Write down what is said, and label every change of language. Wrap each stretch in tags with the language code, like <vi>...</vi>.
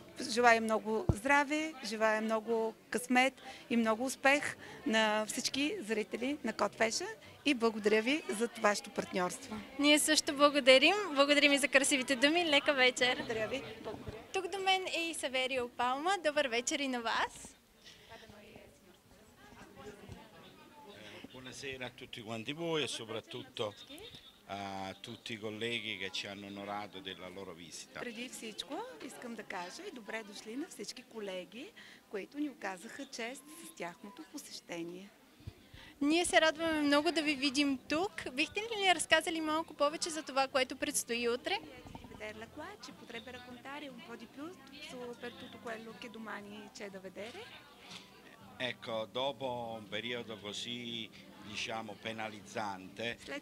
<bg>Желая много здраве, желая много късмет и много успех на всички зрители на Code Fashion и благодаря ви за вашето партньорство. Ние също благодарим. Благодарим и за красивите думи. Лека вечер. Благодаря ви. Благодаря. Тук до мен е и Саверио Палма. Добър вечер и на вас.</bg> <it>Buonasera a tutti quanti voi e soprattutto a tutti i colleghi che ci hanno onorato della loro visita.</it> <bg>Преди всичко, искам да кажа и добре дошли на всички колеги, които ни оказаха чест с тяхното посещение. Ние се радваме много да ви видим тук. Бихте ли ни разказали малко повече за това, което предстои утре?</bg> <it>La qua ci potrebbe raccontare un po' di più per tutto quello che domani c'è da vedere? Ecco, dopo un periodo così, diciamo, penalizzante.</it>